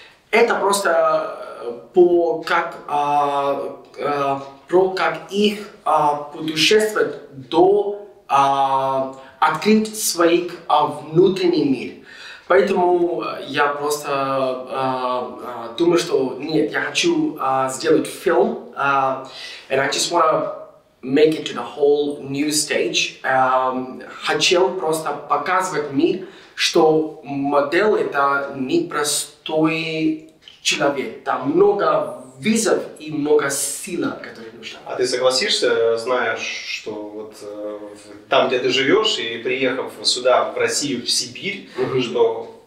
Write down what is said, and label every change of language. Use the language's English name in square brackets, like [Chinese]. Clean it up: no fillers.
[Russian] Это просто как их путешествовать до открыть свой внутренний мир. Поэтому я просто думаю, что нет, я хочу сделать фильм. [English] And I just want to make it to the whole new stage. [Russian] Хотел просто показывать мир, что модель — это не простой человек. Там много визов и много сил, которые нужны. А ты согласишься, зная, что вот там, где ты живешь, и приехав сюда, в Россию, в Сибирь, что